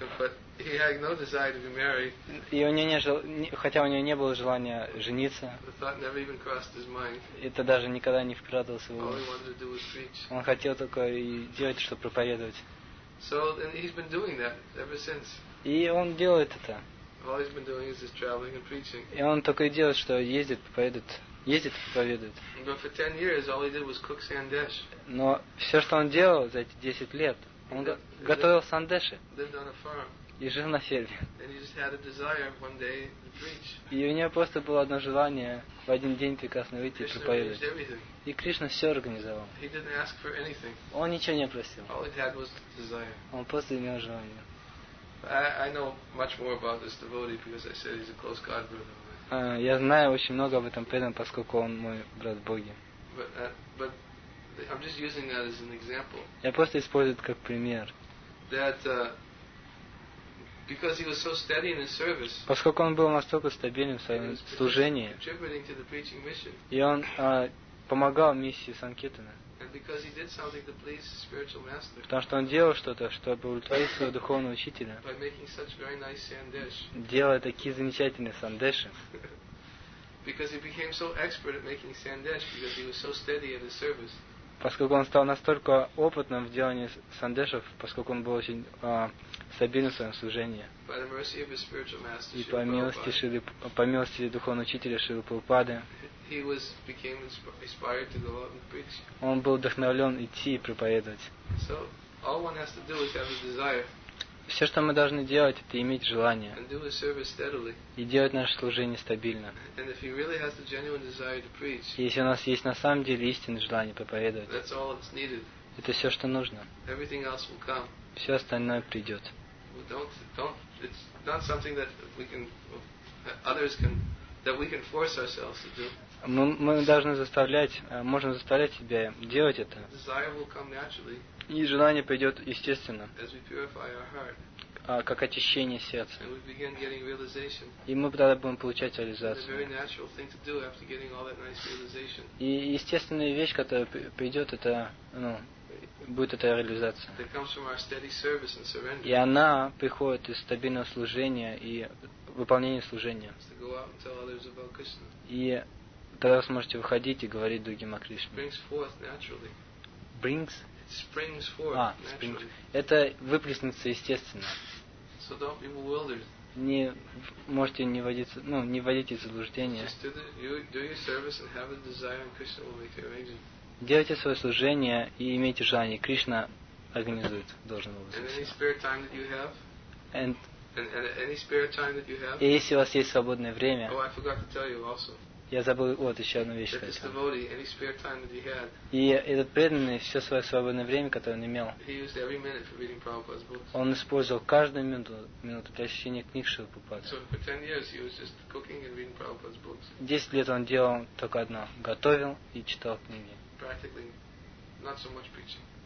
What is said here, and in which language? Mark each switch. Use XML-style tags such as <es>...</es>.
<en>But he had no desire to be married.</en> <ru>И у него не жел... хотя у него не было желания жениться.</ru> <en>The thought never even crossed his mind.</en> <ru>Это даже никогда не вкрадывалось в его.</ru> <en>All he wanted to do was preach.</en> <ru>Он хотел только и делать, чтобы проповедовать.</ru> <en>So and he's been doing that ever since.</en> <ru>И он делает это.</ru> <en>All he's been doing is just traveling and preaching.</en> <ru>И он только и делает, что ездит, поедет, ездит, поедет.</ru> <en>But for 10 years, all he did was cook sandesh.</en> <ru>Но все, что он делал за эти 10 лет, он готовил сандеши.</ru> <en>Lived on a farm.</en> <ru>И жил на ферме.</ru> <en>And he just had a desire one day to preach.</en> <ru>И у него просто было одно желание в один день прекрасно выйти и проповедовать. И Кришна все организовал.</ru> <en>He didn't ask for anything.</en> <ru>Он ничего не просил.</ru> <en>All he had was desire.</en> <ru>Он просто имел желание.</ru> <en>I know much more about this devotee because I said he's a close god brother.</en> <ru>Я знаю очень много об этом преданном, поскольку он мой брат Боги.</ru> <en>But I'm just using that as an example.</en> <ru>Я просто использую это как пример.</ru> <en>That because he was so steady in his service.</en> <ru>Поскольку он был настолько стабильным в своем служении.</ru> <en>Contributing to the preaching mission.</en> <ru>И он помогал миссии Санкитана.</ru> <en>Because he did something to please his spiritual master.</en> <ru>Потому что он делал что-то, чтобы удовлетворить своего духовного учителя.</ru> <en>By making such very nice sandesh.</en> <ru>Делая такие замечательные сандеши.</ru> <en>Because he became so expert at making sandesh because he was so steady at his service.</en> <ru>Поскольку он стал настолько опытным в делании сандешев, поскольку он был очень стабильным в своем служении.</ru> <en>By the mercy of his spiritual master.</en> <ru>И по милости Шрилы, по милости духовного учителя Шрилы Прабхупады.</ru> <en>He was became inspired to go out and preach.</en> <ru>Он был вдохновлен идти и проповедовать.</ru> <en>So all one has to do is have a desire.</en> <ru>Все, что мы должны делать, это иметь желание.</ru> <en>And do his service steadily.</en> <ru>И делать наше служение стабильно.</ru> <en>And if he really has the genuine desire to preach.</en> <ru>Если у нас есть на самом деле истинное желание проповедовать.</ru> <en>That's all that's needed.</en> <ru>Это все, что нужно.</ru> <en>Everything else will come.</en> <ru>Все остальное придет.</ru> <en>Well, don't. It's not something that we can. Others can. That we can force ourselves to do.</en> <ru>Мы должны заставлять, можем заставлять себя делать это.</ru> <en>Desire will come naturally.</en> <ru>И желание придет естественно.</ru> <en>As we purify our heart.</en> <ru>Как очищение сердца.</ru> <en>And we begin getting realization.</en> <ru>И мы тогда будем получать реализацию.</ru> <en>And a very natural thing to do after getting all that nice realization.</en> <ru>И естественная вещь, которая придет, это, ну, будет эта реализация.</ru> <en>That comes from our steady service and surrender.</en> <ru>И она приходит из стабильного служения и выполнения служения.</ru> <en>Is to go out and tell others about Krishna.</en> <ru>И тогда вы сможете выходить и говорить другим о Кришне.</ru> <en>Brings forth naturally. Brings? Springs forth naturally.</en> <ru>Это выплеснется естественно.</ru> <en>So don't be bewildered.</en> <ru>Не можете не вводиться, ну, не вводите в заблуждение.</ru> <en>Just do your service and have a desire, and Krishna will make the arrangements.</en> <ru>Делайте свое служение и имейте желание. Кришна организует должным образом.</ru> <en>And any spare time that you have. And any spare time that you have.</en> <ru>И если у вас есть свободное время.</ru> <en>Oh, I forgot to tell you also.</en> <ru>Я забыл вот еще одну вещь.</ru> <en>That this devotee, any spare time that he had,</en> <ru>и этот преданный все свое свободное время, которое он имел,</ru> <en>he used every minute for reading Prabhupada's books.</en> <ru>Он использовал каждую минуту для чтения книг Шрилы Прабхупады.</ru> <en>So for 10 years he was just cooking and reading Prabhupada's books.</en> <ru>10 лет он делал только одно. Готовил и читал книги.</ru> <en>Practically not so much preaching.</en>